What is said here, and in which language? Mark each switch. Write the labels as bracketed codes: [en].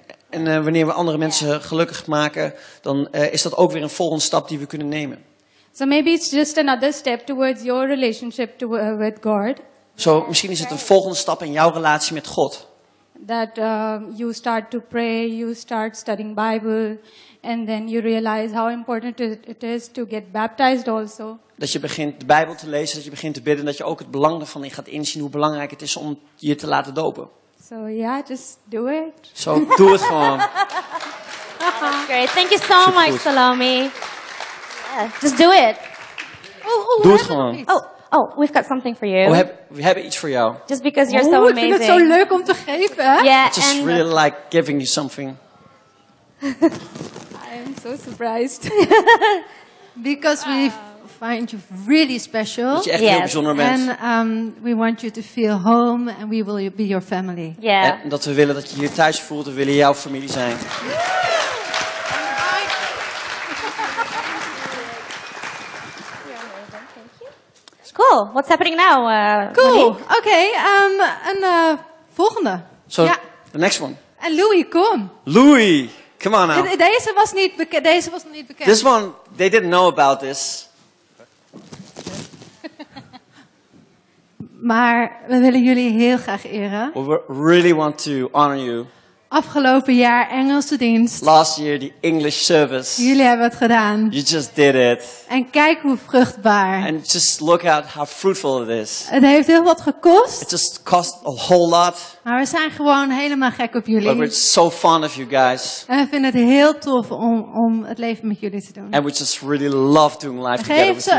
[nl] En wanneer we andere mensen gelukkig maken, dan is dat ook weer een volgende stap die we kunnen nemen. [en] So maybe it's just another step towards your relationship to, with God. [nl] Zo, misschien is het een volgende stap in jouw relatie met God. [en] That you start to pray, you start studying Bible, and then you realize how important it is to get baptized also. [nl] Dat je begint de Bijbel te lezen, dat je begint te bidden, dat je ook het belang ervan gaat inzien hoe belangrijk het is om je te laten dopen. [en] So yeah, just do it. [nl] Zo, doe het gewoon. [en] Great, thank you so much, Salome. Yeah, just do it. [nl] Doe het gewoon. [en] Oh, we've got something for you. [nl] We hebben iets voor jou. [en] Just because you're so amazing. [nl] Ik vind het zo leuk om te geven. [en] Yeah, I just really like giving you something. I am so surprised. Because we find you really special. [nl] Dat je echt heel bijzonder bent. [en] And we want you to feel home and we will be your family. Yeah. [nl] En dat we willen dat je hier thuis voelt en willen jouw familie zijn. [en] Cool. What's happening now? Cool. Okay. [nl] Volgende. [en] So yeah. The next one. And Louis, come. Louis, come on now. [nl] Deze was niet bekend. [en] This one, they didn't know about this. [nl] Maar we willen jullie heel graag eren. [en] We really want to honor you. [nl] Afgelopen jaar Engelse dienst. [en] Last year the English service. [nl] Jullie hebben het gedaan. [en] You just did it. [nl] En kijk hoe vruchtbaar. [en] And just look at how fruitful it is. [nl] Het heeft heel wat gekost. [en] It just cost a whole lot. [nl] Maar we zijn gewoon helemaal gek op jullie. [en] But we're so fond of you guys. [nl] En we vinden het heel tof om het leven met jullie te doen. [en] And we just really love doing life together with you.